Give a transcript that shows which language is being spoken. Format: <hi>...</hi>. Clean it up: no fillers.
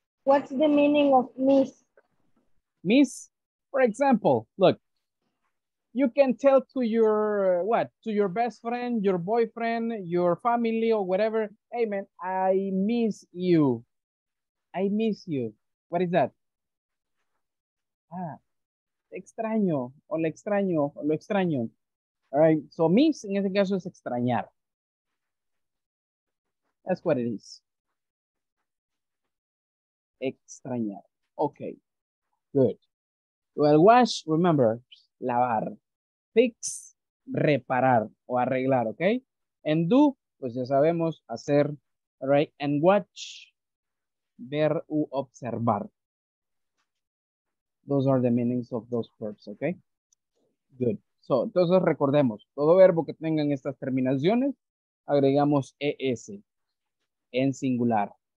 <en>What's the meaning of miss? Miss, for example, look, you can tell to your, what, to your best friend, your boyfriend, your family, or whatever, hey man, I miss you. I miss you. What is that?</en> <es>Ah, extraño, o le extraño, o lo extraño.</es> <en>All right, so</en> <es>miss, en este caso, es extrañar.</es> <en>That's what it is. Extrañar. Okay, good. Well, wash, remember, lavar.</en> <es>Fix, reparar, o arreglar, okay? And do, pues ya sabemos, hacer.</es> <en>All right, and watch, ver u observar. Those are the meanings of those verbs, okay? Good.</en> <es>So, entonces recordemos, todo verbo que tengan estas terminaciones, agregamos ES en singular.</es>